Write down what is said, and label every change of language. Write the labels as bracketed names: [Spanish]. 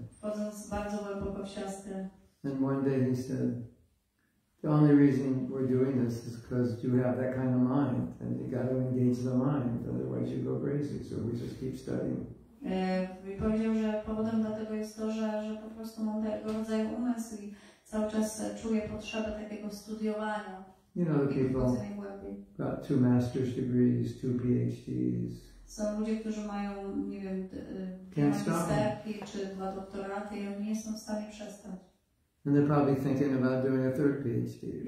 [Polish] Wchodząc bardzo głęboko w Shastra. [English] And one day he said, the only reason we're doing this is because you have that kind of mind and you gotta engage the mind, otherwise you go crazy, so we just keep studying. [Polish] I powiedział, że powodem dla tego jest to, że po prostu mam tego rodzaju umysł i cały czas czuję potrzebę takiego studiowania. [English] You know, the people got 2 master's degrees, 2 PhDs. [Polish] Są ludzie, którzy mają, nie wiem, 2 magisterki czy 2 doktoraty i oni nie są w stanie przestać. [English] And they're probably thinking about doing a 3rd PhD.